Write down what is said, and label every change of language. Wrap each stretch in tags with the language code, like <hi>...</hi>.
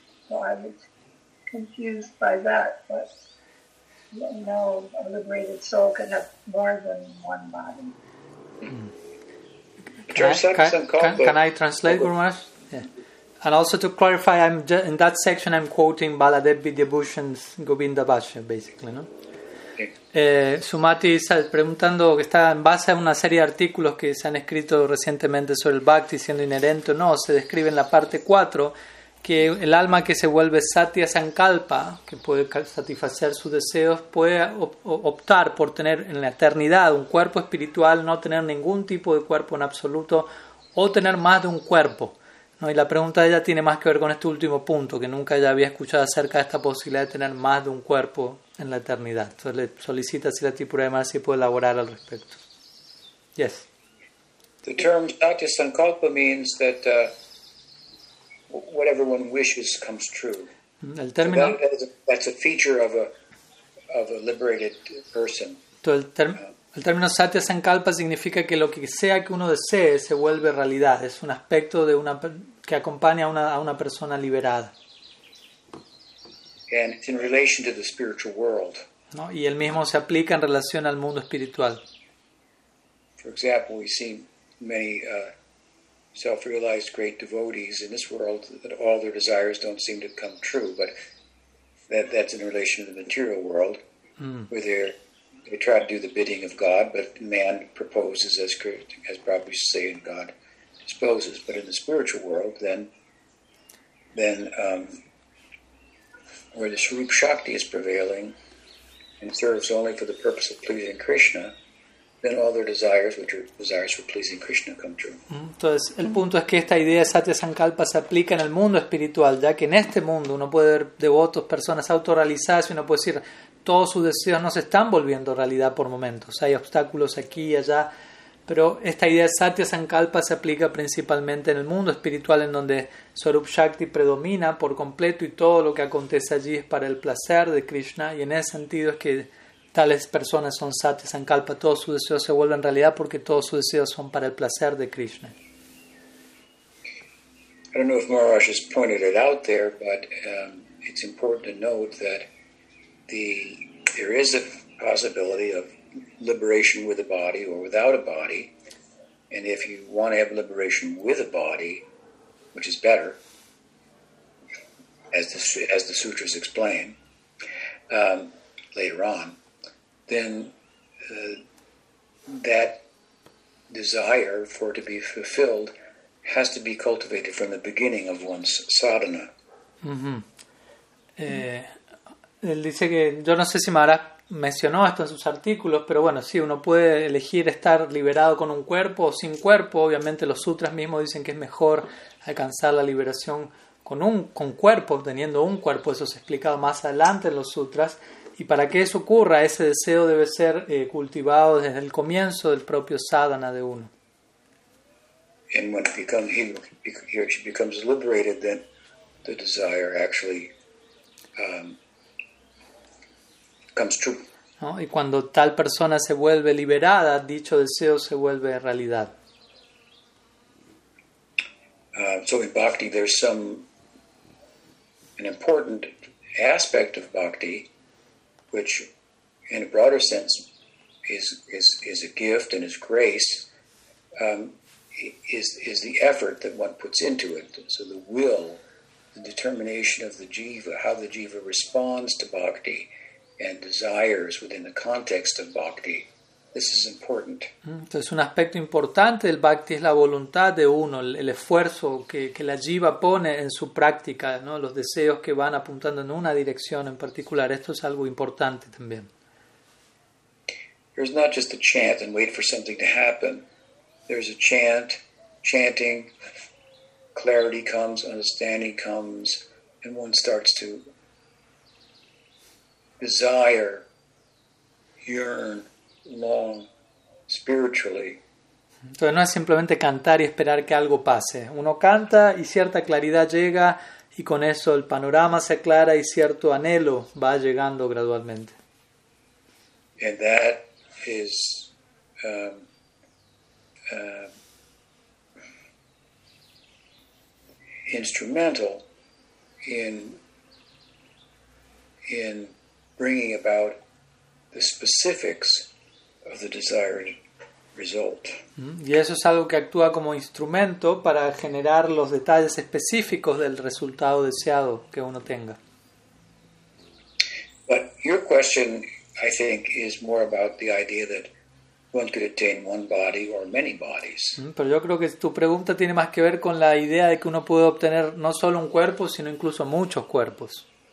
<en>So I was confused by that, but you know, a liberated soul can have more than one body. Can I translate, Guru Maharaj? Yeah. And also to clarify, in that section I'm quoting Baladev Vidyabhushan's Govinda Bhashya, basically, no?</en> <es>Sumati está preguntando que está en base a una serie de artículos que se han escrito recientemente sobre el bhakti siendo inherente o no. Se describe en la parte 4 que el alma que se vuelve satya sankalpa, que puede satisfacer sus deseos, puede optar por tener en la eternidad un cuerpo espiritual, no tener ningún tipo de cuerpo en absoluto o tener más de un cuerpo, ¿no? Y la pregunta de ella tiene más que ver con este último punto, que nunca ella había escuchado acerca de esta posibilidad de tener más de un cuerpo en la eternidad. Entonces le solicita si la tipura de Marcia puede elaborar al respecto.</es> <en>Yes. The term satya sankalpa means that whatever one wishes comes true.</en> <es>El término,</es> <en>so that's a feature of a liberated person.</en> <es>Entonces el término satya sankalpa significa que lo que sea que uno desee se vuelve realidad. Es un aspecto de una que acompaña a una persona liberada.</es> <en>And it's in relation to the spiritual world.</en> <es>No, y el mismo se aplica en relación al mundo espiritual.</es> <en>For example, we see many self-realized great devotees in this world that all their desires don't seem to come true, but that's in relation to the material world, where they try to do the bidding of God, but man proposes as Prabhupada used to say, and God disposes. But in the spiritual world, then where the Shroop Shakti is prevailing and serves only for the purpose of pleasing Krishna, then all their desires, which are desires for pleasing Krishna, come true.</en> <es>Entonces, el punto es que esta idea de Satya Sankalpa se aplica en el mundo espiritual, ya que en este mundo uno puede ver devotos, personas autorrealizadas, y uno puede decir, todos sus deseos no se están volviendo realidad por momentos. Hay obstáculos aquí y allá, pero esta idea de Satya Sankalpa se aplica principalmente en el mundo espiritual, en donde Swarup Shakti predomina por completo y todo lo que acontece allí es para el placer de Krishna, y en ese sentido es que tales personas son Satya Sankalpa, todos sus deseos se vuelven realidad porque todos sus deseos son para el placer de Krishna.</es> <en>I don't know if Maharaj has pointed it out there, but it's important to note that there is a possibility of liberation with a body or without a body, and if you want to have liberation with a body, which is better, as the sutras explain later on, then that desire for it to be fulfilled has to be cultivated from the beginning of one's sadhana.</en> <es>Él dice que, yo no sé si Maharaj mencionó esto en sus artículos, pero bueno, sí, uno puede elegir estar liberado con un cuerpo o sin cuerpo. Obviamente los sutras mismos dicen que es mejor alcanzar la liberación con cuerpo, teniendo un cuerpo. Eso se es explicado más adelante en los sutras. Y para que eso ocurra, ese deseo debe ser cultivado desde el comienzo del propio sadhana de uno.</es> <en>And when he becomes liberated, then the desire actually comes true.</en> <es>¿No? Y cuando tal persona se vuelve liberada, dicho deseo se vuelve realidad.</es> <en>So in bhakti, there's an important aspect of bhakti, which in a broader sense is a gift and is grace, is the effort that one puts into it. So the will, the determination of the jiva, how the jiva responds to bhakti, and desires within the context of bhakti. This is important.</en> <es>Entonces, un aspecto importante del bhakti es la voluntad de uno, el esfuerzo que la jiva pone en su práctica, ¿no? Los deseos que van apuntando en una dirección en particular. Esto es algo importante también.</es> <en>There's not just a chant and wait for something to happen. There's a chant, chanting, clarity comes, understanding comes, and one starts to desire, yearn, long, spiritually.</en> <es>Entonces no es simplemente cantar y esperar que algo pase. Uno canta y cierta claridad llega, y con eso el panorama se aclara y cierto anhelo va llegando gradualmente.</es> <en>And that is instrumental in bringing about the specifics of the desired result.</en> <es>Y eso es algo que actúa como instrumento para generar los detalles específicos del resultado deseado que uno tenga.</es> <en>But your question, I think, is more about the idea that one could attain one body or many bodies.</en> <es>Pero yo creo que tu pregunta tiene más que ver con la idea de que uno puede obtener no solo un cuerpo, sino incluso muchos cuerpos.</es>